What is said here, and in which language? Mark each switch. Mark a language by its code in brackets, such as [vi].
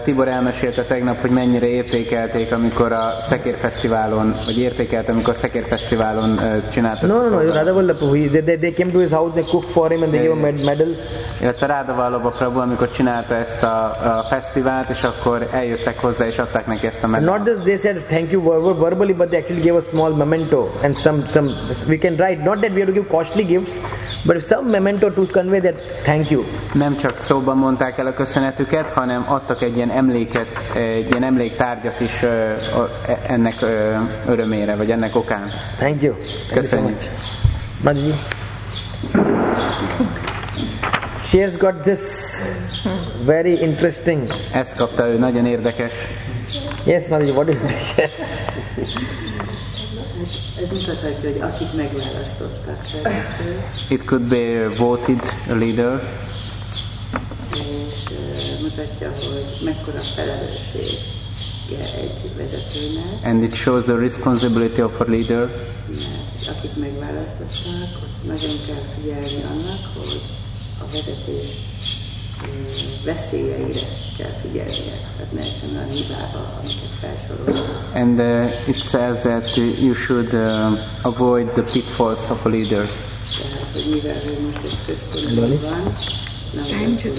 [hu] Tibor elmesélte tegnap, hogy mennyire értékelték, amikor a Szekér Fesztiválon, vagy értékelt, amikor a Szekér Fesztiválon csinálta. [en] No, Radha Valla Prabhu, they came to his house, they cooked for him and they gave him a medal. [hu] Illetve Radha Valla Prabhu, amikor csinálta ezt a fesztivált, és akkor eljöttek hozzá, és adták neki ezt a medal. [en] Not just they said thank you verbally, but they actually gave a small memento and some we can write, not that we have to give costly gifts, but some memento to convey that thank you. [hu] Nem csak szóban mondták el a köszönetüket, hanem adtak egy ilyen emléket, egy ilyen emléktárgyat is ennek örömére, vagy ennek okán. [en] Thank you. [hu] Köszönjük. [en] Madhuji. She has got this very interesting. [hu] Ezt kapta ő, nagyon érdekes. [en] Yes, Madhuji, what is this? [hu] Ez mutathatja, hogy akit megválasztottak szerintem. [en] It could be voted leader. [hu] És mutatja, hogy mekkora felelőssége egy vezetőnek. [en] And it shows the responsibility of a leader. [hu] Akit megválasztottak, nagyon kell figyelni annak, hogy a vezetés veszélyeire kell figyelnie, tehát ne esem a hibába, amiket felsorol. [en] And it says that you should avoid the pitfalls of leaders. [hu] Tehát, hogy mivel ő most egy központban van, nem az